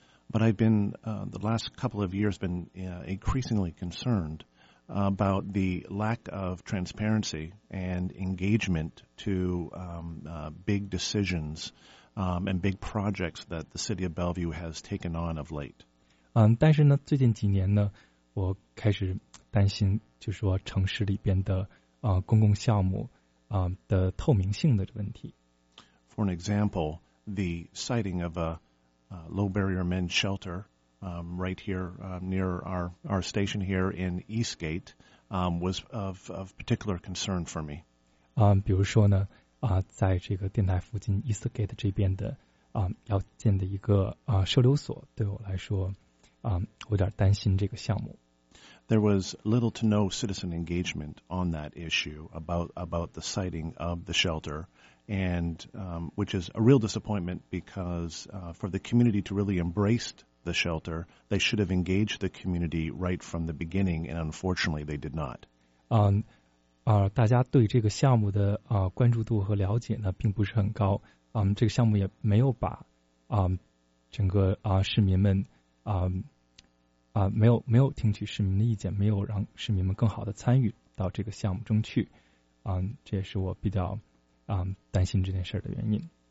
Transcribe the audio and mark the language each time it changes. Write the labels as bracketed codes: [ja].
[en] But I've been the last couple of years been increasingly concerned about the lack of transparency and engagement to big decisions and big projects that the city of Bellevue has taken on of late. [zh] 但是呢，最近几年呢，我开始担心，就是说城市里边的公共项目的透明性的问题。 [en] For an example, the siting of a low barrier men's shelter right here near our station here in Eastgate was of particular concern for me. [zh] 比如说呢在这个电台附近 Eastgate 这边的要建的一个收留所，对我来说我有点担心这个项目。 [en] There was little to no citizen engagement on that issue about the siting of the shelter, and which is a real disappointment because for the community to really embrace the shelter, they should have engaged the community right from the beginning, and unfortunately, they did not. [zh] 大家对这个项目的关注度和了解呢，并不是很高。这个项目也没有把整个市民们没有听取市民的意见，没有让市民们更好的参与到这个项目中去，这也是我比较担心这件事的原因。